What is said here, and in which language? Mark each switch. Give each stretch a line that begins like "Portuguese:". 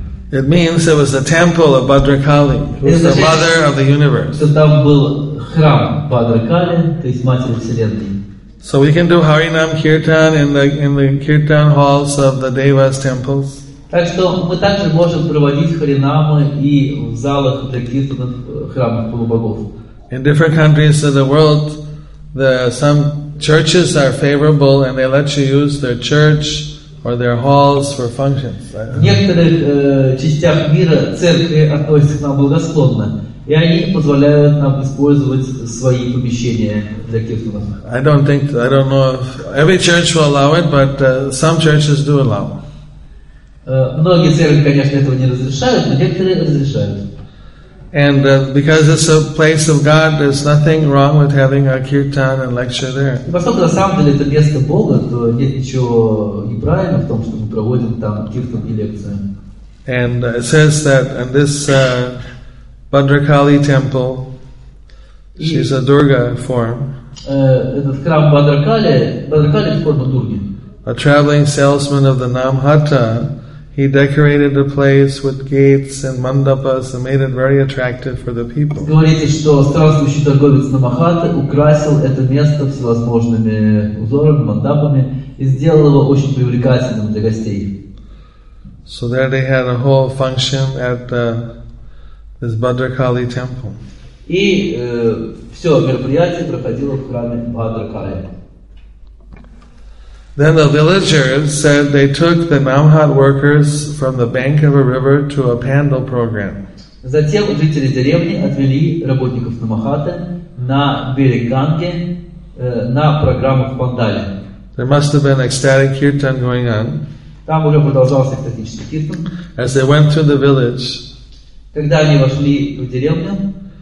English: It means it was the temple of Bhadrakali, who is the mother of the universe.
Russian: Там был храм Бхадракали, то есть матери вселенной.
English: So we can do Харинам Киртан in the Киртан halls of the Devas temples.
Russian: Так что мы также можем проводить Харинамы и в залах для киртанов храмов полубогов.
English: In different countries of the world. Some churches are favorable and they let you use their church or their halls for functions.
Russian: В некоторых частях мира церкви относятся к нам благосклонно, и они позволяют нам использовать свои помещения для киртана.
English: I don't know if every church will allow it, but some churches do allow.
Russian: Многие церкви, конечно, этого не разрешают, но некоторые разрешают.
English: And because it's a place of God, there's nothing wrong with having a kirtan and lecture there.
Russian: Поскольку на самом деле это место Бога, то нет ничего неправильного в том, что мы проводим там киртан и лекции.
English: And it says that in this Bhadrakali temple, She's a Durga form.
Russian: Этот храм Бадракали в форме Дурги.
English: A traveling salesman of the Namhatta, he decorated the place with gates and mandapas and made it very attractive for the people.
Russian: Говорите, что странствующий торговец Намахата украсил это место всевозможными узорами, мандапами и сделал его очень привлекательным для гостей.
English: So there they had a whole function at this Бадракали temple.
Russian: И все мероприятие проходило в храме Бадракали.
English: Then the villagers said they took the Namhat workers from the bank of a river to a pandal program.
Russian: Затем жители деревни отвели работников Намахата на берег Ганги на программу в Пандале.
English: There must have been ecstatic kirtan going on.
Russian: Там уже продолжался экстатический киртан.
English: As they went through the village,
Russian: когда они вошли в деревню,